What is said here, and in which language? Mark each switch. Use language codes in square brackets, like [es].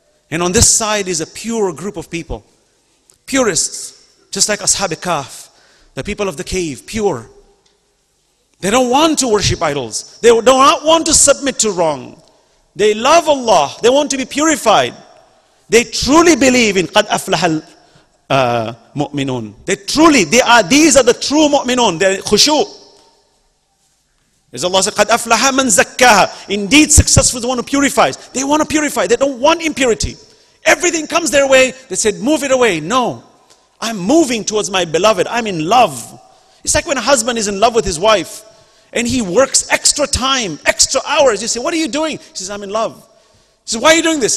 [en] And on this side is a pure group of people. Purists, just like Ashabi Kaf, the people of the cave, pure. They don't want to worship idols. They do not want to submit to wrong. They love Allah. They want to be purified. They truly believe in [ar] قَدْ أَفْلَحَ الْمُؤْمِنُونَ. [en] These are the true mu'minun. They're khushu. As Allah said, [ar] قَدْ أَفْلَحَ مَنْ زَكَّهَا. [en] Indeed, successful is the one who purifies. They want to purify. They don't want impurity. Everything comes their way. They said, move it away. No. I'm moving towards my beloved. I'm in love. It's like when a husband is in love with his wife and he works extra time, extra hours. You say, what are you doing? He says, I'm in love. He says, why are you doing this?